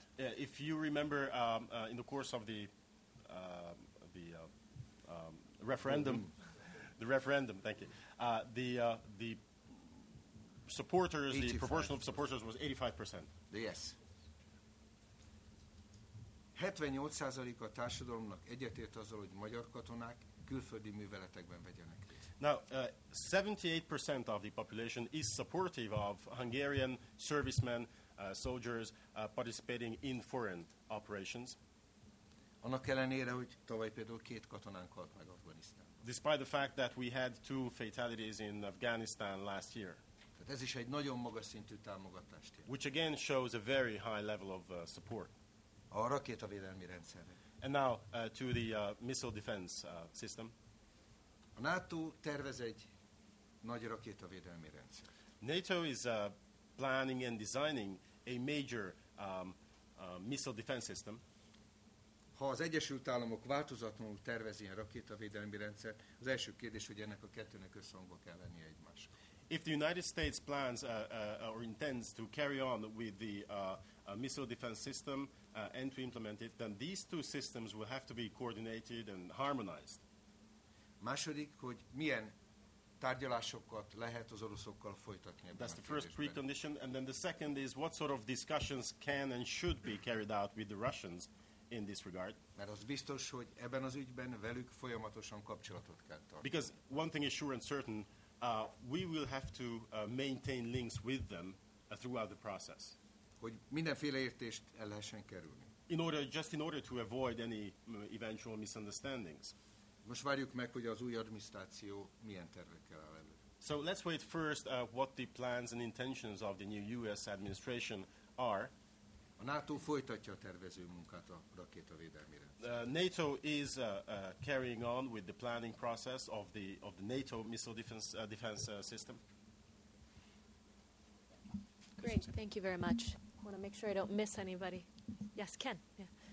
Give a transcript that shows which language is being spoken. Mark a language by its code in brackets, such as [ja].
[en] Yeah, if you remember in the course of the referendum, the referendum, thank you, the supporters, 85. The proportion of supporters was 85%. Yes. [hu] 78% a társadalomnak egyetért azzal, hogy magyar katonák külföldi műveletekben vegyenek részt. [en] Now, 78% of the population is supportive of Hungarian servicemen, soldiers participating in foreign operations. [hu] Annak ellenére, hogy tavaly például 2 katonánk halt meg Afganisztánban. [en] Despite the fact that we had 2 fatalities in Afghanistan last year. [hu] Ez is egy nagyon magas szintű támogatást jelent. [en] Which again shows a very high level of support. [hu] A rakétavédelmi rendszerre. [en] And now to the missile defense system. [hu] A NATO tervez egy nagy rakétavédelmi rendszer. [en] NATO is planning and designing a major missile defense system. [hu] Ha az Egyesült Államok változatlanul tervez ilyen rakétavédelmi rendszert, az első kérdés, hogy ennek a kettőnek összhangba kell lennie egymásra. [en] If the United States plans or intends to carry on with the missile defense system and to implement it, then these two systems will have to be coordinated and harmonized. [hu] Második, hogy milyen tárgyalásokat lehet az oroszokkal folytatni. [en] That's the first precondition. And then the second is what sort of discussions can and should be carried out with the Russians in this regard. [hu] Mert az biztos, hogy ebben az ügyben velük folyamatosan kapcsolatot kell tartani. [en] Because one thing is sure and certain, we will have to maintain links with them throughout the process. [hu] Hogy mindenféle értést el lehessen kerülni. [en] in order to avoid any eventual misunderstandings. [hu] Most várjuk meg, hogy az új adminisztráció milyen tervekkel áll elő. [en] So let's wait first what the plans and intentions of the new US administration are. [hu] A NATO folytatja a tervező munkát a rakétavédelmi rendszer. [en] NATO is carrying on with the planning process of the NATO missile defense system. Great, thank you very much. I want to make sure I don't miss anybody. Yes, Ken. Yeah.